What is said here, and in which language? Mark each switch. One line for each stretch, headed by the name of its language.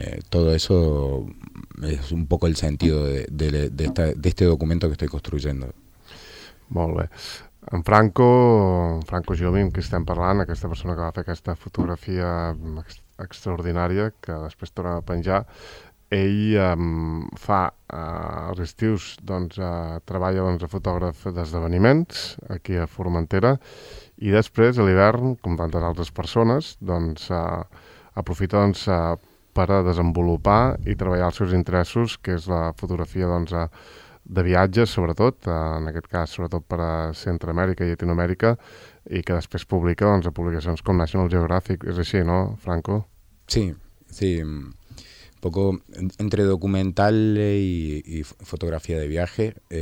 Spanish: Todo eso es un poco el sentido de este documento que estoy construyendo.
Catalan: Molt bé. En Franco Giomi, amb qui estem parlant, aquesta persona que va fer aquesta fotografia extraordinària, que després tornava a penjar, ell fa els estius, doncs, treballa, doncs, de fotògraf d'esdeveniments aquí a Formentera, i després, a l'hivern, com tantes altres persones, doncs, aprofita, doncs, per a desenvolupar i treballar els seus interessos, que és la fotografia, doncs, de viatges, sobretot, en aquest cas, sobretot per a Centroamèrica i Llatinoamèrica, i que després publica, doncs, a publicacions com National Geographic. És així, no, Franco? Sí.
Spanish: Un poco entre documental y fotografía de viaje.